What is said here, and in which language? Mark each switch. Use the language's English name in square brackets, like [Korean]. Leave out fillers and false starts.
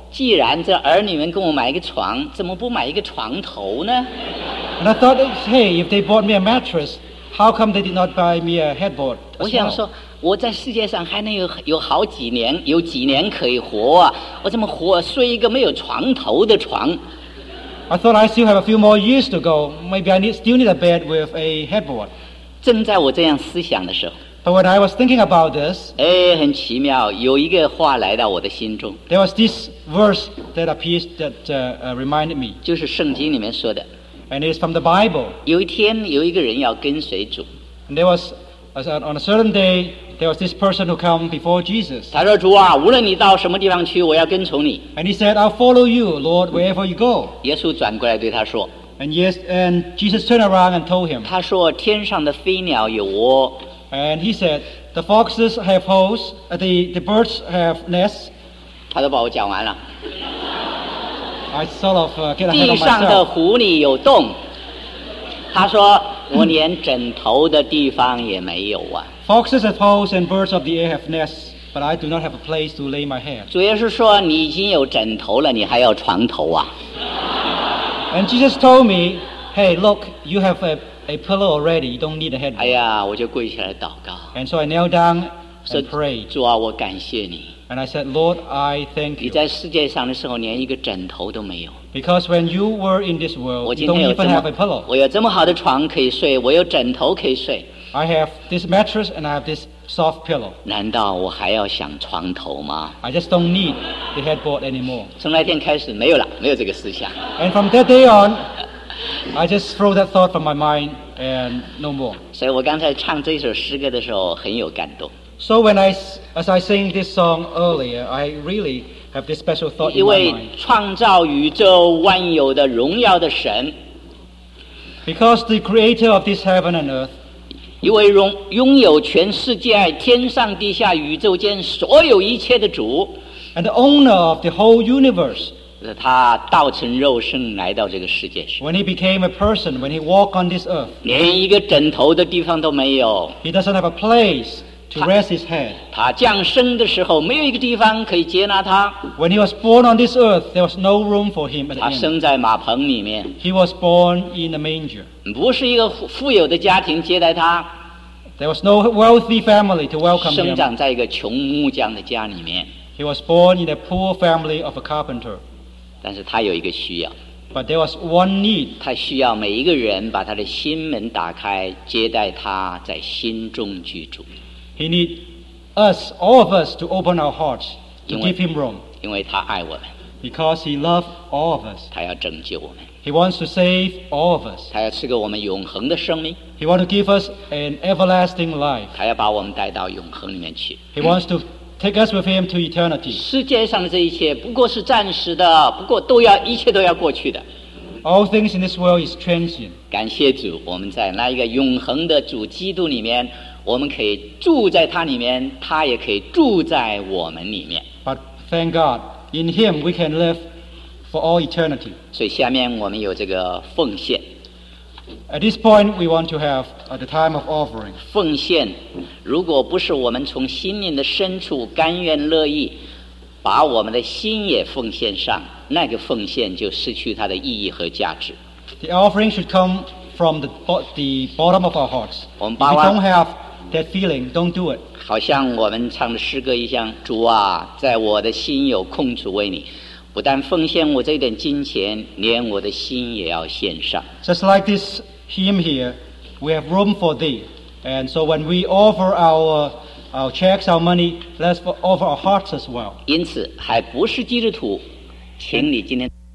[Chinese] 既然这儿女们给我买一个床，怎么不买一个床头呢？ [English] And I thought, hey, if they bought me a mattress, how come they did not buy me a headboard? [Chinese] 我想说，我在世界上还能有好几年，有几年可以活啊？我怎么活睡一个没有床头的床？ [English] I thought I still have a few more years to go. Maybe I still need a bed with a headboard. [Chinese] 正在我这样思想的时候， [English] But when I was thinking about this, [Chinese] 哎，很奇妙，有一个话来到我的心中。 [English] There was this verse that appears that reminded me. [Chinese] 就是圣经里面说的。 [English] And it's from the Bible. [Chinese] 有一天，有一个人要跟随主。 [English] And there was, on a certain day, there was this person who came before Jesus. [Chinese] 他说，主啊，无论你到什么地方去，我要跟从你。 [English] And he said, I'll follow you, Lord, wherever you go. [Chinese] 耶稣转过来对他说。 [English] And Jesus turned around and told him. [Chinese] 他说，天上的飞鸟有窝。 [English] And he said, the foxes have holes, the birds have nests. [Chinese] 他都把我讲完了。 [English] I sort of get ahead of [Chinese] myself. 地上的狐狸有洞。他说，我连枕头的地方也没有啊。 [English] Foxes have holes and birds of the air have nests, but I do not have a place to lay my head. [Chinese] 主耶稣说，你已经有枕头了，你还要床头啊？ [English] And Jesus told me, hey, look, you have a pillow already, you don't need a head. [Chinese] 哎呀，我就跪下来祷告。 [English] And so I knelt down and prayed. [Chinese] 主啊，我感谢你。 [English] And I said, Lord, I thank you. [Chinese] 你在世界上的时候连一个枕头都没有。 [English] Because when you were in this world, you don't even have a pillow. [Chinese] 我有这么好的床可以睡，我有枕头可以睡。 [English] I have this mattress and I have this soft pillow. [Chinese] 难道我还要想床头吗？ [English] I just don't need the headboard anymore. [Chinese] 从那天开始没有了，没有这个思想。 [English] And from that day on, I just throw that thought from my mind and no more. [Chinese] 所以我刚才唱这首诗歌的时候很有感动。 [English] So when I sing this song earlier, I really have this special thought in my mind. [Chinese] 因为创造宇宙万有的荣耀的神。 [English] Because the creator of this heaven and earth, [Chinese] 一位拥有全世界天上地下宇宙间所有一切的主 [English] And the owner of the whole universe [Chinese] 他道成肉身来到这个世界上 [English] When he became a person, when he walked on this earth [Chinese] 连一个枕头的地方都没有 [English] He doesn't have a place to rest his head [Chinese] 他降生的时候没有一个地方可以接纳他 [English] When he was born on this earth, there was no room for him at the [Chinese] inn 他生在马棚里面 [English] He was born in a manger [Chinese] 不是一个富有的家庭接待他。 [English] There was no wealthy family to welcome him. [Chinese] 生长在一个穷木匠的家里面。 [English] He was born in a poor family of a carpenter. [Chinese] 但是他有一个需要。 [English] But there was one need. [Chinese] 他需要每一个人把他的心门打开，接待他在心中居住。 [English] He need us, all of us, to open our hearts to give him room. [Chinese] 因为他爱我们。 [English] Because he loves all of us. [Chinese] 他要拯救我们。 [English] He wants to save all of us. [Chinese] 他要赐给我们永恒的生命。 [English] He wants to give us an everlasting life. [Chinese] 他要把我们带到永恒里面去。 [English] He wants to take us with him to eternity. [Chinese] 世界上的这一切不过是暂时的，不过都要一切都要过去的。 [English] All things in this world is transient. [Chinese] 感谢主，我们在那一个永恒的主基督里面，我们可以住在他里面，他也可以住在我们里面。 [English] But thank God, in him we can live. For all eternity. [Chinese] 所以下面我们有这个奉献。 [English] At this point, we want to have the time of offering. [Chinese] 奉献，如果不是我们从心灵的深处甘愿乐意，把我们的心也奉献上，那个奉献就失去它的意义和价值。 [English] The offering should come from the bottom of our hearts. If we don't have that feeling, don't do it. [Chinese] 好像我们唱的诗歌一样，主啊，在我的心有空处为你。不但奉献我这点金钱，连我的心也要献上。 [English] Just like this hymn here, we have room for thee. And so when we offer our checks, our money, let's offer our hearts as well. [Chinese] 因此，还不是基督徒，请你今天。